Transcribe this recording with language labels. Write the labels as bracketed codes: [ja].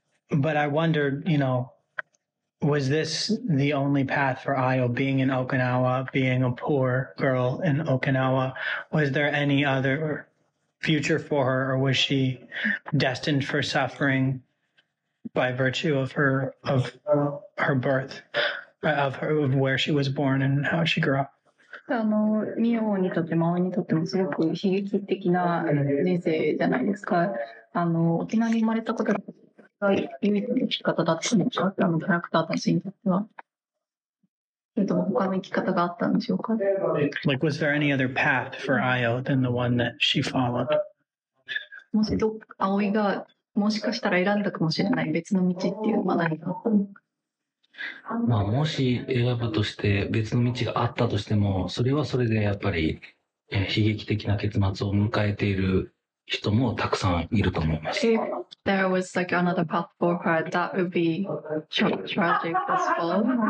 [en] But I wondered, you know, was this the only path for Io, being in Okinawa, being a poor girl in Okinawa? Was there any other future for her, or was she destined for suffering by virtue of her birth, of where she was born and how she grew up? [ja] ミオにとってマオにとってもすごく悲劇的な人生じゃないですか。沖縄に生まれたことが唯一の生き方だったのか、キャラクターたちにとっては。それとも他の生き方があったんでしょうか。 [en] Like, was there any other path for Io than the one that she followed? [ja] もしどアオイがもしかしたら選んだかもしれない別の道っていうのは何があったのか。まあ、もし選ぶとして別の道があったとしても、それはそれでやっぱり悲劇的な結末を迎えている人もたくさんいると思います。 [en] If there was like another path for her, that would be tragic as well.